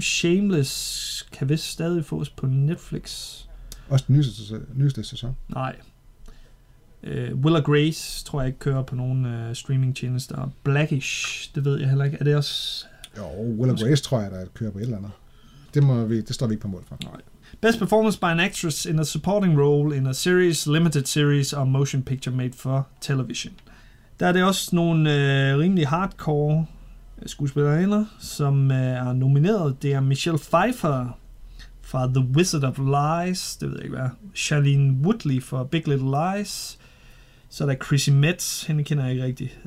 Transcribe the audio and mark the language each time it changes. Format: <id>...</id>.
<da>Shameless kan vist stadig fås på Netflix. Også den nyeste sæson? Nej. Will & Grace tror jeg ikke kører på nogen streamingtjenester. Blackish, det ved jeg heller ikke. Er det også... Jo, Will & Grace tror jeg, der kører på et eller andet. Det står vi ikke på mål for. Nej.</da> <en>Best performance by an actress in a supporting role in a series, limited series or motion picture made for television.</en> <da>Der er det også nogle rimelig hardcore skuespillerinder, som er nomineret. Det er Michelle Pfeiffer fra The Wizard of Lies. Det ved jeg ikke hvad. Shailene Woodley fra Big Little Lies. Så er der Chrissy Metz, hende kender jeg ikke rigtigt.</da>